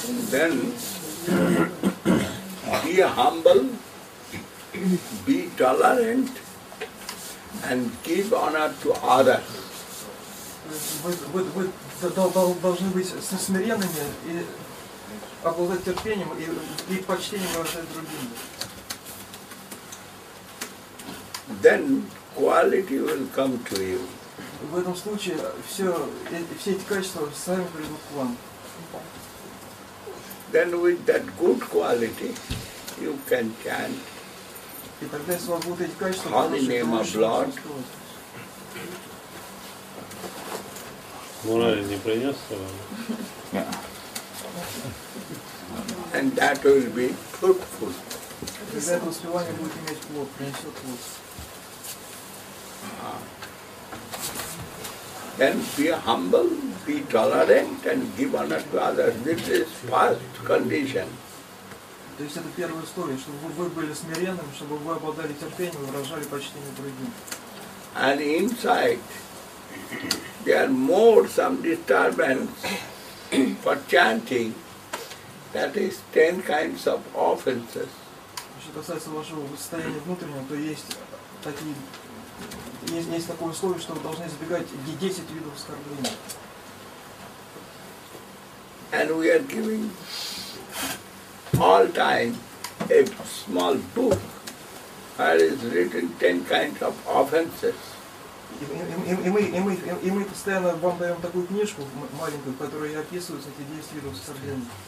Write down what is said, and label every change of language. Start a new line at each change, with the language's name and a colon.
English: Then be humble, be tolerant, and give honor to others.
Russian: Вы должны быть смиренными и обладать терпением и почтением уважать другим.
English: Then quality will come to you.
Russian: В этом случае все эти качества сами придут к вам.
English: Then with that good quality, you can chant
Russian: И тогда если у вас будут эти качества, Мурали не принес его?
English: And that will be fruitful.
Russian: Из этого сливания будет иметь плод, принесет плод.
English: Then be humble, be tolerant, and give honor to others. This is first condition.
Russian: То есть это первая история, чтобы вы были смиренным, чтобы вы обладали терпением, выражали почтение другим.
English: And inside, there are more some disturbance for chanting. That is 10 kinds of offenses.
Russian: Что касается вашего состояния внутреннего, то есть такие. Есть такое условие, что вы должны избегать 10 видов оскорблений.
English: And we are giving all time a small book where is written 10 kinds of offenses.
Russian: И мы постоянно вам даем такую книжку маленькую, в которой описываются эти 10 видов оскорблений.